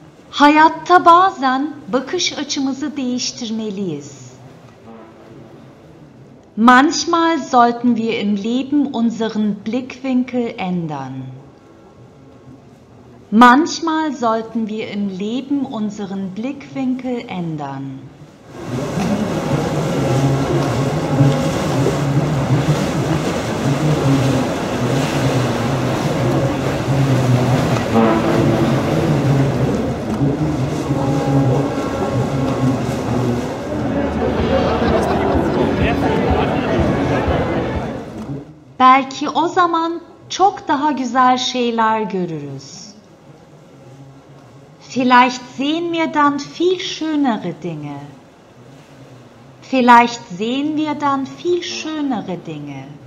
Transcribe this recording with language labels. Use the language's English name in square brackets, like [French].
[Turkish] Hayatta bazen bakış açımızı değiştirmeliyiz. [German] Manchmal sollten wir im Leben unseren Blickwinkel ändern. Manchmal sollten wir im Leben unseren Blickwinkel ändern. [Turkish] Belki o zaman çok daha güzel şeyler görürüz. [German] Vielleicht sehen wir dann viel schönere Dinge. Vielleicht sehen wir dann viel schönere Dinge.